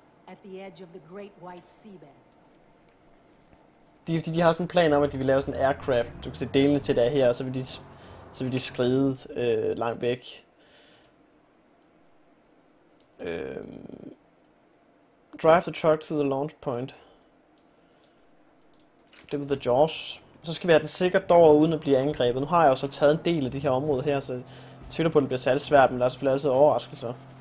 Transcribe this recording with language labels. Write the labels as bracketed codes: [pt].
[en] At the edge of the Great White Seabed. [da] De har sådan en plan om, at de vil lave sådan en aircraft. Du kan se delene til der her, og så vil de skride langt væk. [en] Drive the truck to the launch point. [da] Det var the Jaws. Så skal vi have den sikkert dog uden at blive angrebet. Nu har jeg jo så taget en del af det her område her, så jeg tvivler på, at det bliver særlig svært, men der er selvfølgelig altid overraskelser.